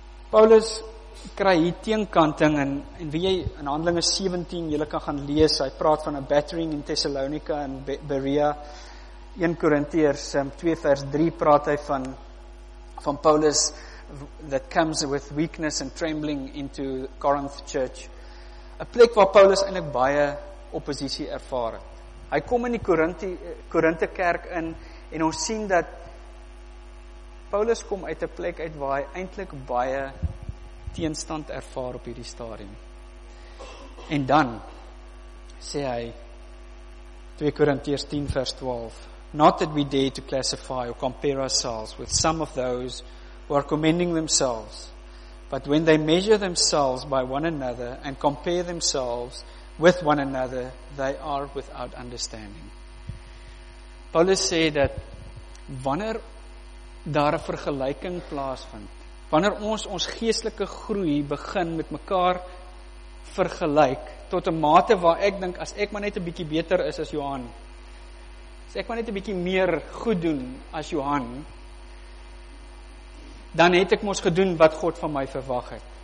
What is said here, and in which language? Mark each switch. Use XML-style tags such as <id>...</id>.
<af>Paulus kry hier teenkanting, en wie jy in Handelinge 17, jy kan gaan lees, hy praat van 'n battering in Thessalonica en Berea, 1 Korintiërs 2 vers 3 praat hy van Paulus</af> <en>that comes with weakness and trembling into Corinth church,</en> <af>'n plek waar Paulus eintlik baie opposisie ervaar het. Hy kom in die Korinthe kerk in, en ons sien dat Paulus kom uit 'n plek uit waar hy eintlik baie teenstand ervaar op hierdie stadium. En dan sê hy 2 Korintiërs 10 vers 12,</af> <en>not that we dare to classify or compare ourselves with some of those who are commending themselves, but when they measure themselves by one another and compare themselves with one another, they are without understanding.</en> <af>Paulus sê dat wanneer daar 'n vergelyking plaasvind, wanneer ons geestelike groei begin met mekaar vergelyk, tot 'n mate waar ek dink, as ek maar net 'n bietjie beter is as Johan, as ek maar net 'n bietjie meer goed doen as Johan, dan het ek mos gedoen wat God van my verwag het.</af>